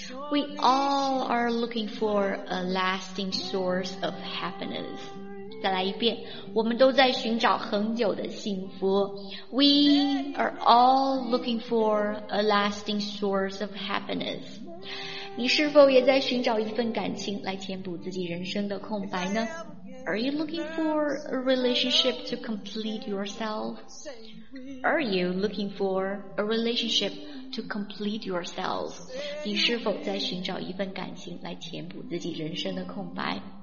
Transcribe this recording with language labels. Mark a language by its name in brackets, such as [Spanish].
[English] We all are looking for a lasting source of happiness. [Chinese] 再来一遍，我们都在寻找恒久的幸福。 [English] We are all looking for a lasting source of happiness. [Chinese] 你是否也在寻找一份感情来填补自己人生的空白呢？ [English] Are you looking for a relationship to complete yourself? Are you looking for a relationship to complete yourself? [Chinese] 你是否在寻找一份感情来填补自己人生的空白？